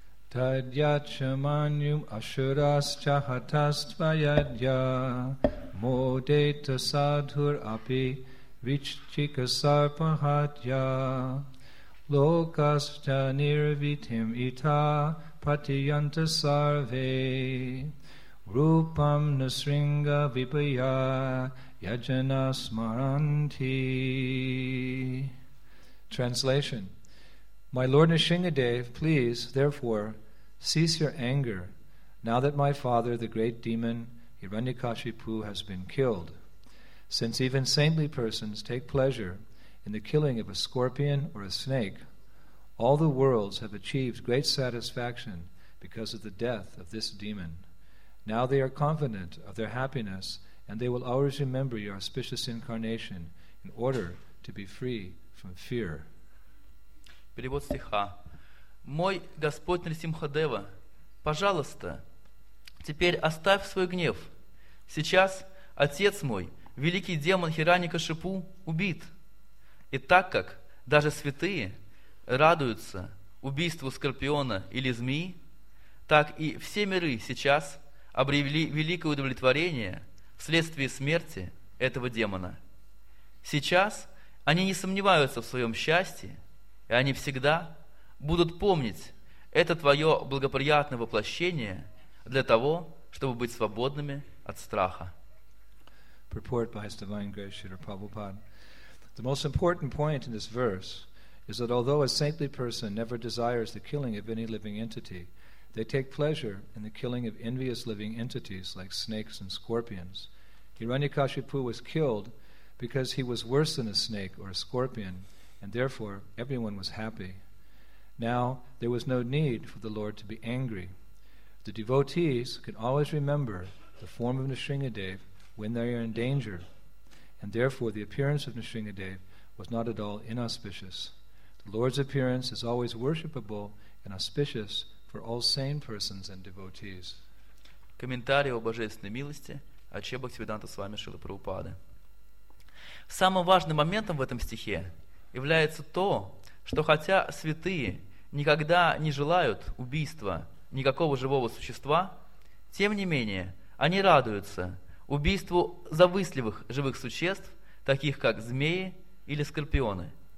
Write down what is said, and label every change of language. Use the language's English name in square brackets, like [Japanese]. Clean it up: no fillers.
[Sanskrit] Тадьячаманьюм ашурасчахатаствайадья модетасадхур апи виччикасарпахатья локасча нирвитим ита патиянта сарве Рупам насринга випая яджана смаранти. [English] Translation. My Lord Nrisimhadev, please, therefore, cease your anger now that my father, the great demon Hiranyakashipu, has been killed. Since even saintly persons take pleasure in the killing of a scorpion or a snake, all the worlds have achieved great satisfaction because of the death of this demon. Now they are confident of their happiness, and they will always remember your auspicious incarnation in order to be free from fear. [Russian] Перевод стиха. Мой Господь Нрисимхадева, пожалуйста, теперь оставь свой гнев. Сейчас отец мой, великий демон Хираньякашипу, убит. И так как даже святые радуются убийству скорпиона или змеи, так и все миры сейчас обрели великое удовлетворение вследствие смерти этого демона. Сейчас они не сомневаются в своем счастье, и они всегда будут помнить это твое благоприятное воплощение для того, чтобы быть свободными от страха. [English] Purport by His Divine Grace Srila Prabhupada. The most important point in this verse is that although a saintly person never desires the killing of any living entity, they take pleasure in the killing of envious living entities like snakes and scorpions. Hiranyakashipu was killed because he was worse than a snake or a scorpion, and therefore everyone was happy. Now, there was no need for the Lord to be angry. The devotees can always remember the form of Nrisimhadev when they are in danger, and therefore the appearance of Nrisimhadev was not at all inauspicious. The Lord's appearance is always worshipable and auspicious for all sane persons and devotees. [Russian] Комментарий о божественной милости от Шри Бхактисиддханта Свами Шрилы Прабхупады. Самым важным моментом в этом стихе является то, что хотя святые никогда не желают убийства никакого живого существа, тем не менее они радуются убийству завистливых живых существ, таких как змеи или скорпионы.